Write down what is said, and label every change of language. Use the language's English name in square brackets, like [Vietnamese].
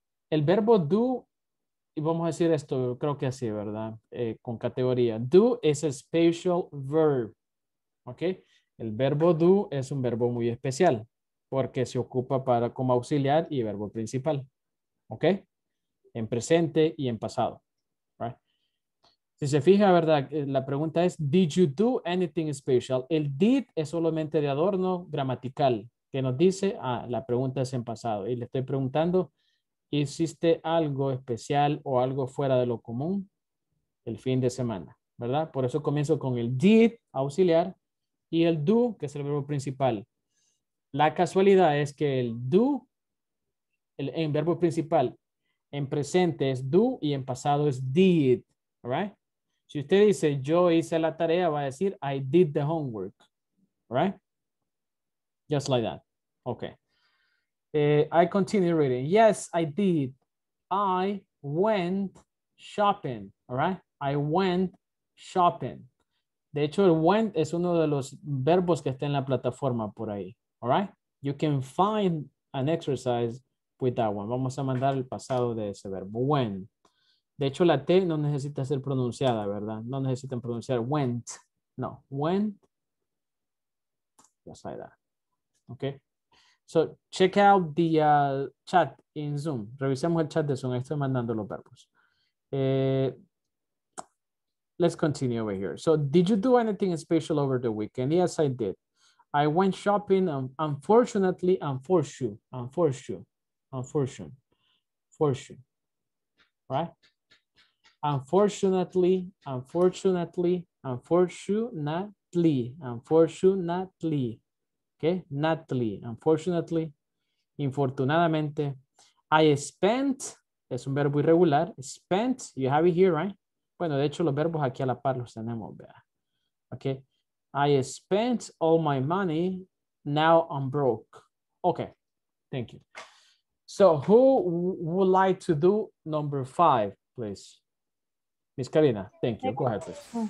[Spanish] El verbo do, y vamos a decir esto, creo que así, ¿verdad? Con categoría. [English] Do is a special verb, ¿ok? [Spanish] El verbo do es un verbo muy especial porque se ocupa para como auxiliar y verbo principal, ¿ok? En presente y en pasado, ¿right? Si se fija, ¿verdad? La pregunta es, [English] did you do anything special? [Spanish] El did es solamente de adorno gramatical que nos dice, ah, la pregunta es en pasado. Y le estoy preguntando, ¿hiciste algo especial o algo fuera de lo común el fin de semana? ¿Verdad? Por eso comienzo con el did auxiliar y el do, que es el verbo principal. La casualidad es que el do, en verbo principal, en presente es do y en pasado es did. [English] ¿Right? [Spanish] Si usted dice, yo hice la tarea, va a decir, [English] I did the homework. ¿Right? Just like that. Okay. I continue reading. Yes, I did. I went shopping. All right. I went shopping. [Spanish] De hecho, el went es uno de los verbos que está en la plataforma por ahí. [English] All right. You can find an exercise with that one. [Spanish] Vamos a mandar el pasado de ese verbo. Went. De hecho, la T no necesita ser pronunciada, ¿verdad? No necesitan pronunciar [English] went. No. Went. Just like that. Okay. So, check out the chat in Zoom. [Spanish] Revisemos el chat de Zoom. Estoy mandando los verbos. [English] Let's continue over here. So, did you do anything special over the weekend? Yes, I did. I went shopping. Unfortunately, infortunadamente, I spent, [Spanish] es un verbo irregular, [English] spent, you have it here, right? [Spanish] Bueno, de hecho, los verbos aquí a la par los tenemos, ¿verdad? [English] Okay, I spent all my money, now I'm broke. Okay, thank you. So, who would like to do number five, please? Miss Karina, thank you, go ahead, please.